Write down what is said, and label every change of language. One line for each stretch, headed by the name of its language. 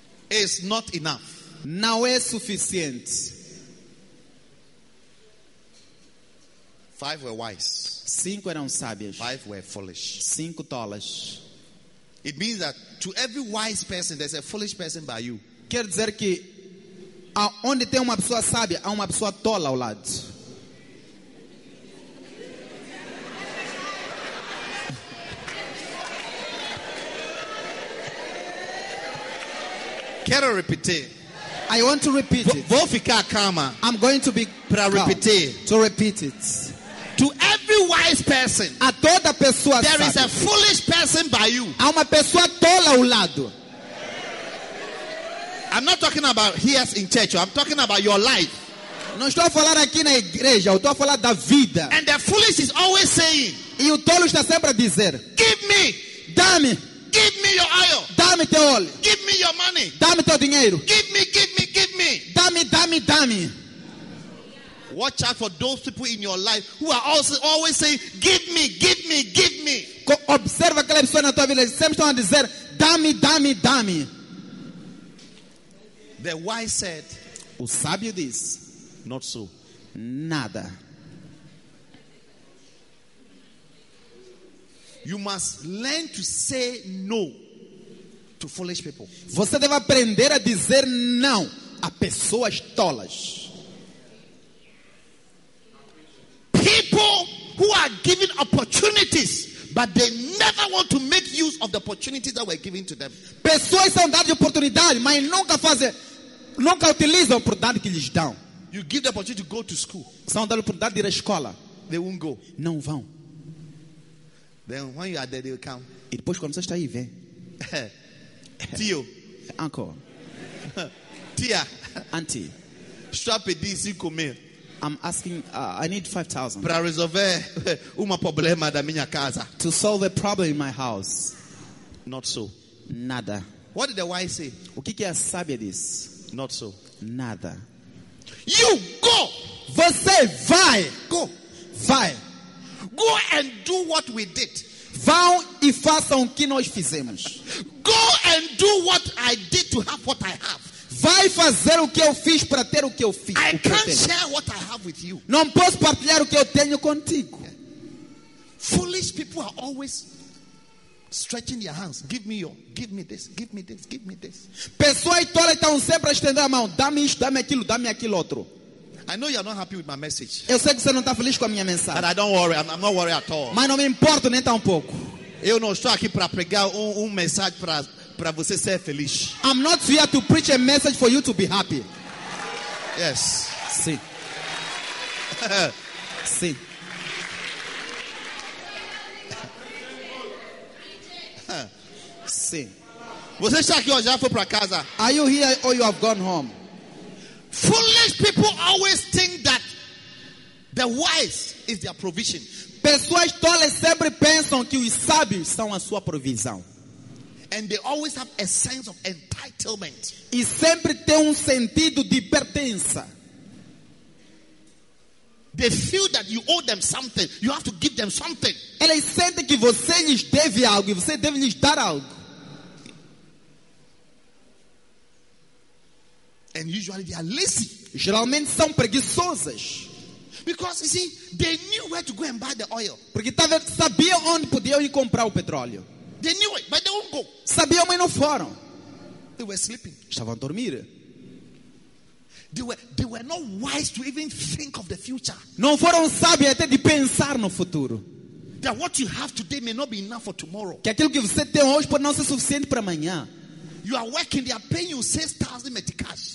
English: It's not enough.
Portuguese: Não é suficiente.
English: Five were wise.
Portuguese: Cinco eram sábias.
English: Five were foolish.
Portuguese: Cinco tolas.
English: It means that to every wise person, there's a foolish person by you.
Portuguese: Quer dizer que onde tem uma pessoa sábia, há uma pessoa tola ao lado. Quero repetir.
English: I want to repeat it.
Portuguese: Vou ficar calma.
English: I'm going to be
Portuguese: para repetir.
English: To repeat it. To every wise person,
Portuguese: a toda pessoa
English: there
Portuguese: sábia,
English: is a foolish person by you.
Portuguese: Há uma pessoa tola ao lado.
English: I'm not talking about here in church. I'm talking about your life.
Portuguese: Não estou a falar aqui na igreja. Eu estou a falar da vida.
English: And the foolish is always saying.
Portuguese: E o tolo está sempre a dizer.
English: Give me.
Portuguese: Dá-me.
English: Give me your oil.
Portuguese: Dá-me teu óleo.
English: Give me your money.
Portuguese: Dá-me teu dinheiro.
English: Give me, give me, give me.
Portuguese: Dá-me, dá-me, dá-me.
English: Watch out for those people in your life who are also always saying, give me, give me, give me.
Portuguese: Observa aquela pessoa na tua vida. Sempre estão a dizer, dá-me, dá-me, dá-me.
English: The wise said,
Portuguese: o sábio diz,
English: not so.
Portuguese: Nada.
English: You must learn to say no to foolish people.
Portuguese: Você deve aprender a dizer não a pessoas tolas.
English: People who are given opportunities, but they never want to make use of the opportunities that were given to them.
Portuguese: Pessoas são dadas oportunidades, mas nunca fazem. Nunca utilizam a oportunidade que lhes dão.
English: You give the opportunity to go to school.
Portuguese: São dadas a oportunidade de ir à escola.
English: They won't go.
Portuguese: Não vão.
English: Then when you are there, they'll come.
Portuguese: E depois quando você está aí, vem. Tio.
English: Uncle.
Portuguese: Tia.
English: Auntie. Strap a DC comer. I'm asking, I need 5,000.
Portuguese: Para resolver uma problema da minha casa.
English: To solve a problem in my house. Not so.
Portuguese: Nada.
English: What did the wife say?
Portuguese: O que a sábia diz?
English: Not so.
Portuguese: Nada.
English: You go.
Portuguese: Você vai.
English: Go.
Portuguese: Vai.
English: Go and do what we did.
Portuguese: Vão e façam o que nós fizemos.
English: Go and do what I did to have what I have.
Portuguese: Vai fazer o que eu fiz para ter o que eu fiz.
English: I can't share what I have with you.
Portuguese: Não posso partilhar o que eu tenho contigo.
English: Yeah. Foolish people are always stretching your hands. Give me your, give me this, give me this, give me this.
Portuguese: Pessoas tolas estão sempre a estender a mão. Dá-me isto, dá-me aquilo outro.
English: I know you are not happy with my message.
Portuguese: Eu sei que você não está feliz com a minha mensagem.
English: But I don't worry, I'm not worried at all.
Portuguese: Mas não me importo nem tampouco. Eu não estou aqui para pregar um mensagem para você ser feliz.
English: I'm not here to preach a message for you to be happy. Yes.
Portuguese: Sim. Sim. Sim. Você está aqui hoje, já foi para casa?
English: Are you here or you have gone home? Foolish people always think that the wise is their provision.
Portuguese: Pessoas tolas sempre pensam que os sábios são a sua provisão.
English: And they always have a sense of entitlement.
Portuguese: E sempre tem sentido de pertença.
English: They feel that you owe them something. You have to give them something.
Portuguese: Eles sentem que você lhes deve algo. E você deve lhes dar algo.
English: And usually they are lazy.
Portuguese: Geralmente são preguiçosas.
English: Because you see, they knew where to go and buy the oil.
Portuguese: Porque tava, sabia onde podiam ir comprar o petróleo.
English: They knew it, but they won't go.
Portuguese: Sabiam, mas não foram.
English: They were sleeping.
Portuguese: Estavam a dormir.
English: They were not wise to even think of the future.
Portuguese: Não foram sábios até de pensar no futuro.
English: That what you have today may not be enough for tomorrow.
Portuguese: Que aquilo que você tem hoje pode não ser suficiente para amanhã.
English: You are working, they are paying you 6,000 meticais.